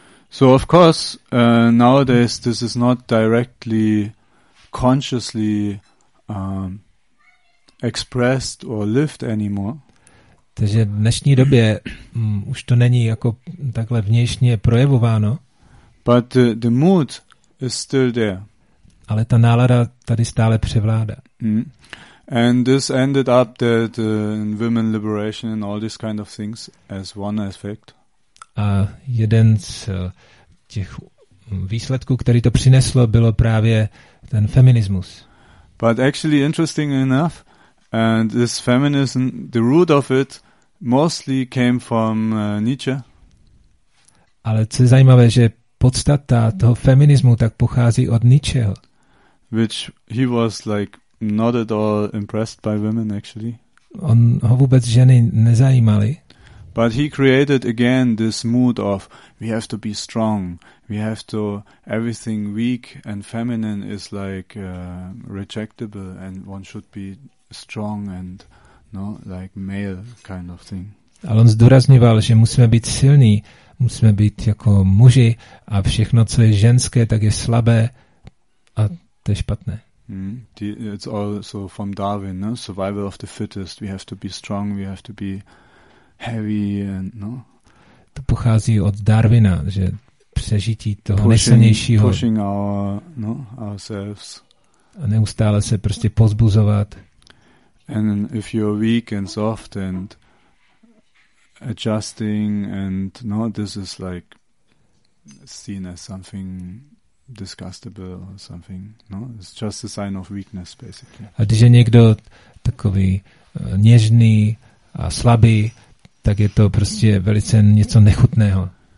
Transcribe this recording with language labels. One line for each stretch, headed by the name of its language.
English: So of course nowadays this is not directly consciously expressed or lived anymore.
Czech: Takže v dnešní době už to není jako takhle vnějšně projevováno.
English: But the mood is still there.
Czech: Ale ta nálada tady stále převládá.
English: And this ended up that women liberation and all these kind of things as one effect.
Czech: A jeden z těch výsledků, který to přineslo, bylo právě ten feminismus.
English: But actually interesting enough, and this feminism, the root of it mostly came from Nietzsche.
Czech: Ale co je zajímavé, že podstata toho feminismu tak pochází od Nietzscheho.
English: Which he was like not at all impressed by women actually.
Czech: On ho vůbec ženy nezajímaly.
English: But he created again this mood of we have to be strong. We have to everything weak and feminine is like rejectable and one should be strong and no like male kind of thing.
Czech: Ale on zdůrazňoval, že musíme být silní, musíme být jako muži a všechno co je ženské, tak je slabé a to je špatné.
English: It's also from Darwin, no? Survival of the fittest. We have to be strong, we have to be heavy and no.
Czech: To pochází od Darwina, že přežití toho nejsilnějšího.
English: Pushing our, no, ourselves.
Czech: A neustále se prostě pozbuzovat.
English: And if you're weak and soft and adjusting and no, this is like seen as something disgustable or something. No, it's just a sign of weakness, basically.
Czech: A když je někdo takový něžný a slabý, tak je to prostě velice něco nechutného.